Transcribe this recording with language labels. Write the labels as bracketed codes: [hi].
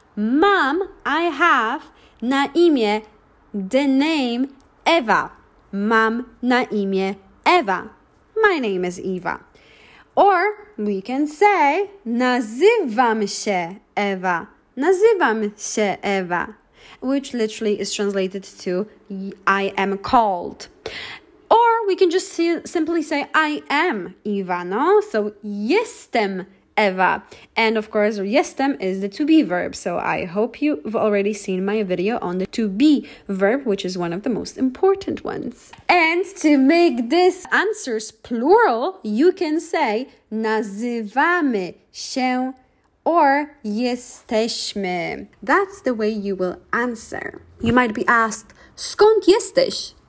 [pl] Mam, [en] I have, [pl] na imię, [en] the name Eva. [pl] Mam na imię Eva. [en] My name is Eva. Or we can say [pl] nazywam się Eva. Nazywam się Eva. [en] Which literally is translated to I am called. Or we can just simply say I am Eva, no? So [pl] jestem Eva. [en] And of course, jestem is the to be verb. So I hope you've already seen my video on the to be verb, which is one of the most important ones. And to make this answers plural, you can say [pl] nazywamy się [en] or [pl] jesteśmy. [en] That's the way you will answer. You might be asked, [pl] skąd jesteś?